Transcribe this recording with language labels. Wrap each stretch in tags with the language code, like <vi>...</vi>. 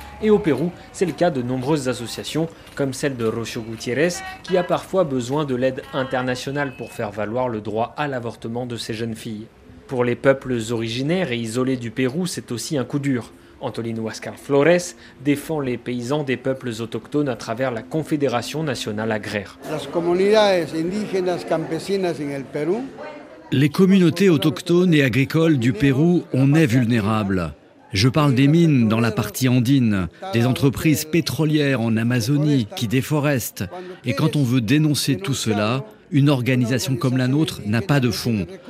<fr>Et au Pérou, c'est le cas de nombreuses associations, comme celle de Rocio Gutiérrez, qui a parfois besoin de l'aide internationale pour faire valoir le droit à l'avortement de ses jeunes filles. Pour les peuples originaires et isolés du Pérou, c'est aussi un coup dur. Antolin Huascar Flores défend les paysans des peuples autochtones à travers la Confédération nationale agraire.</fr> <es>Las comunidades indígenas campesinas en el Perú.</es> <fr>Les communautés autochtones et agricoles du Pérou, on est vulnérables. Je parle des mines dans la partie andine, des entreprises pétrolières en Amazonie qui déforestent. Et quand on veut dénoncer tout cela, une organisation comme la nôtre n'a pas de fonds.</fr>